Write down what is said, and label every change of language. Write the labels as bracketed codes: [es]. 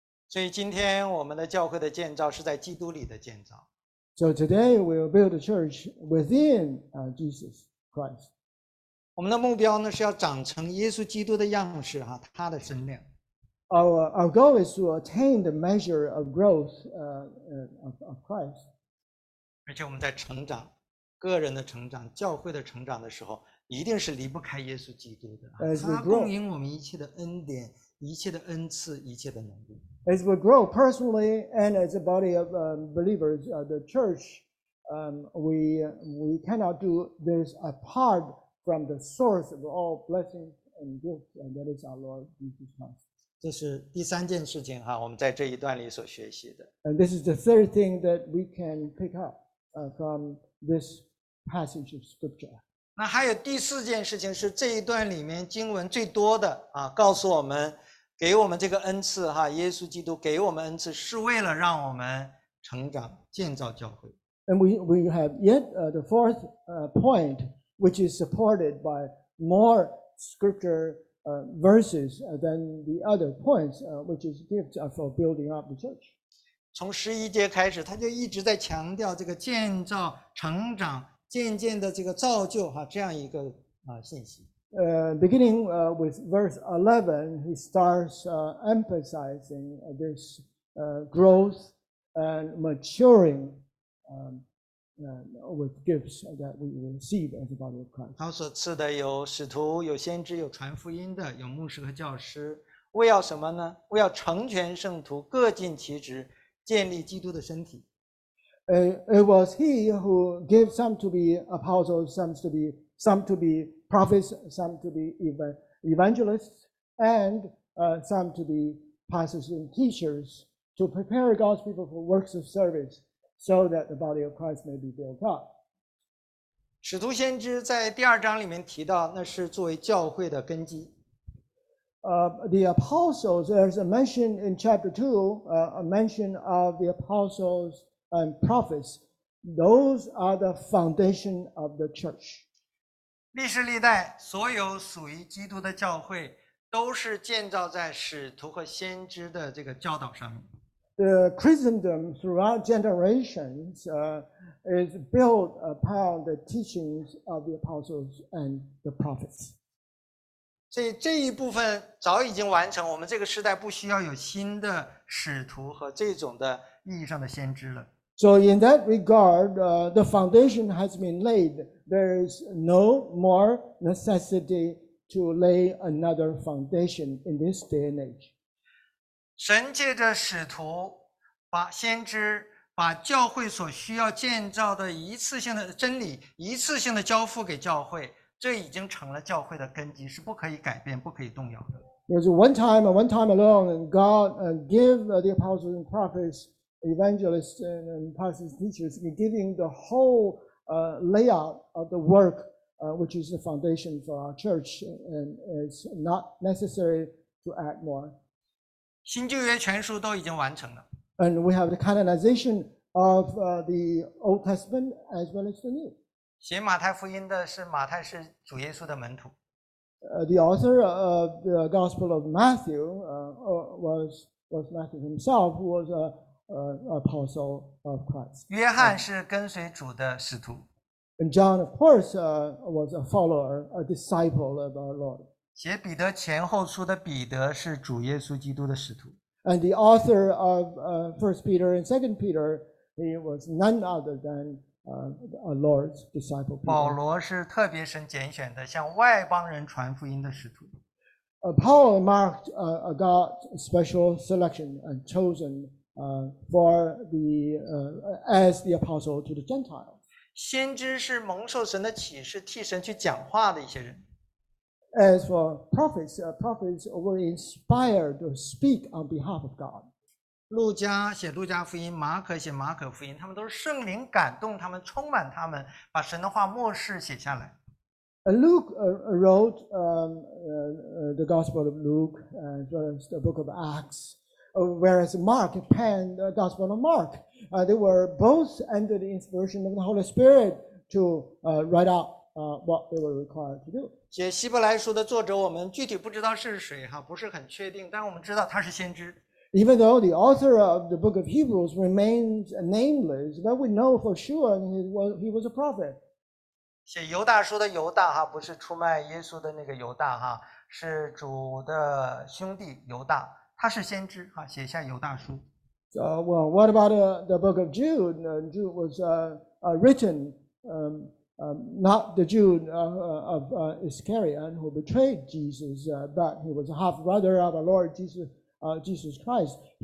[zh] 所以今天我们的教会的建造是在基督里的建造。 [en] So today we will build a church within Jesus Christ. [zh] 我们的目标呢是要长成耶稣基督的样式，他的身量。 [en] Our goal is to attain the measure of growth of Christ. [zh] 而且我们在成长，个人的成长，教会的成长的时候，一定是离不开耶稣基督的。 [en] As we grow, [zh] 他供应我们一切的恩典，一切的恩赐，一切的能力。 [en] As we grow personally and as a body of believers, the church, we cannot do this apart from the source of all blessings and gifts, and that is our Lord Jesus Christ. [zh] 这是第三件事情哈，我们在这一段里所学习的。 [en] And this is the third thing that we can pick up from this passage of scripture. [zh] 那还有第四件事情是这一段里面经文最多的啊，告诉我们。给我们这个恩赐哈，耶稣基督给我们恩赐是为了让我们成长建造教会。 [en] And we have yet the fourth point, which is supported by more scripture verses than the other points, which is gifts for building up the church. [zh] 从十一节开始，他就一直在强调这个建造、成长、渐渐的这个造就哈这样一个信息。 [en] Beginning with verse 11, he starts emphasizing this growth and maturing with gifts that we receive as the body of Christ. [zh] 他所赐的有使徒、有先知、有传福音的、有牧师和教师，为要什么呢？为要成全圣徒，各尽其职，建立基督的身体。 [en] It was he who gave some to be apostles, some to be prophets, some to be evangelists, and some to be pastors and teachers to prepare God's people for works of service so that the body of Christ may be built up. [zh] 使徒先知在第二章里面提到，那是作为教会的根基。 [en] The apostles, there's a mention in chapter 2, a mention of the apostles and prophets. Those are the foundation of the church. [zh] 历史历代所有属于基督的教会都是建造在使徒和先知的这个教导上面。 [en] The Christendom throughout generations is built upon the teachings of the apostles and the prophets. [zh] 所以这一部分早已经完成，我们这个时代不需要有新的使徒和这种的意义上的先知了。 [en] So in that regard, the foundation has been laid. There is no more necessity to lay another foundation in this day and age. [zh] 神借着使徒把先知把教会所需要建造的一次性的真理一次性的交付给教会，这已经成了教会的根基，是不可以改变、不可以动摇的。 [en] There's one time and one time alone, and God give the apostles and prophets, evangelists and pastors, teachers, giving the whole layout of the work, which is the foundation for our church, and it's not necessary to add more. [zh] 新旧约全书都已经完成了。 [en] And we have the canonization of the Old Testament as well as the New. [zh] 写马太福音的是马太，是主耶稣的门徒。 [en] The author of the Gospel of Matthew was Matthew himself, who was an apostle of Christ. [zh] 约翰是跟随主的使徒。 [en] And John, of course, was a follower, a disciple of our Lord. [zh] 写彼得前后书的彼得是主耶稣基督的使徒。 [en] And the author of First Peter and Second Peter, he was none other than a Lord's disciple. [zh] 保罗是特别神拣选的，向外邦人传福音的使徒。 [en] Paul marked a God's special selection and chosen for the as the apostle to the Gentiles. [zh] 先知是蒙受神的启示，替神去讲话的一些人。 [en] As for prophets, prophets were inspired to speak on behalf of God. [zh] 路加写路加福音，马可写马可福音，他们都是圣灵感动他们，充满他们，把神的话默示写下来。 [en] Luke wrote the Gospel of Luke as well as the Book of Acts, whereas Mark penned the Gospel of Mark. They were both under the inspiration of the Holy Spirit to write out what they were required to do. [zh] 写希伯来书的作者，我们具体不知道是谁哈，不是很确定，但我们知道他是先知。 [en] Even though the author of the book of Hebrews remains nameless, but we know for sure he was a prophet. [zh] 写犹大书的犹大哈，不是出卖耶稣的那个犹大哈，是主的兄弟犹大，他是先知哈，写下犹大书。 [en] So, well, what about the book of Jude? Jude was written not the Jude of Iscariot who betrayed Jesus, but he was a half brother of our Lord Jesus. Jesus Christ.